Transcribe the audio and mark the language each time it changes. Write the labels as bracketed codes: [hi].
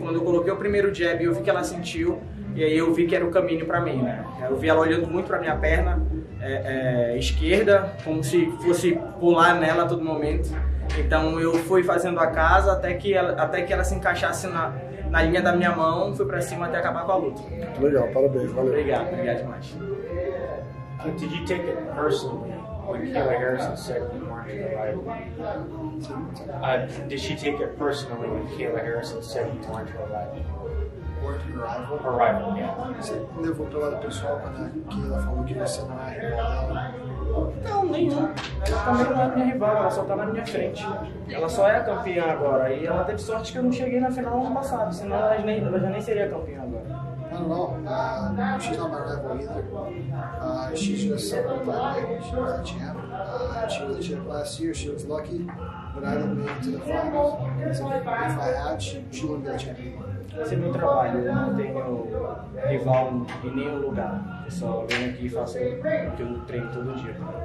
[pt] Quando eu coloquei o primeiro jab, eu vi que ela sentiu e aí eu vi que era o caminho para mim, né? Eu vi ela olhando muito para minha perna esquerda, como se fosse pular nela a todo momento. Então eu fui fazendo a casa até que ela se encaixasse na linha da minha mão, fui para cima até acabar com a luta. Legal, parabéns, valeu. Obrigado demais. [en] Did you take it personally when Kayla Harrison said you weren't in the fight? Did she take it personally when Kayla Harrison said you weren't in the fight? support her rival. Her rival, yeah. [pt] Você levou pro lado pessoal quando a Kayla falou que você não é rival dela? Não, nenhum. Ela também não é minha rival, ela só tá na minha frente. Ela só é a campeã agora, e ela teve sorte que eu não cheguei na final ano passado, senão ela já nem seria a campeã agora. [en] Não, she's not my rival either. She's just someone that I like. She's not a champ. She was a champ last year. She was lucky, but I don't make it to the finals. If I had, she wouldn't be a champion. [pt] Esse é meu trabalho, eu não tenho rival em nenhum lugar. Eu só venho aqui e faço o que eu treino todo dia.